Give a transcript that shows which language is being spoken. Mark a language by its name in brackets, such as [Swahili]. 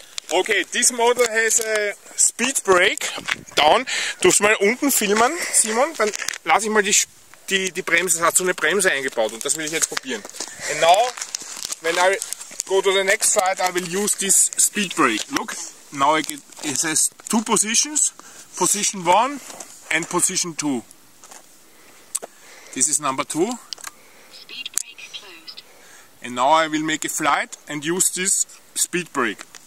[English] Okay, this model has a speed brake down. [German] Darfst du mal unten filmen, Simon? Dann lasse ich mal die Bremse. Es hat so eine Bremse eingebaut und das will ich jetzt probieren. [English] And now, when I go to the next slide, I will use this speed brake. Look, now I get, it says two positions. Position 1 and position 2. This is number 2. Speed brake closed. And now I will make a flight and use this speed brake.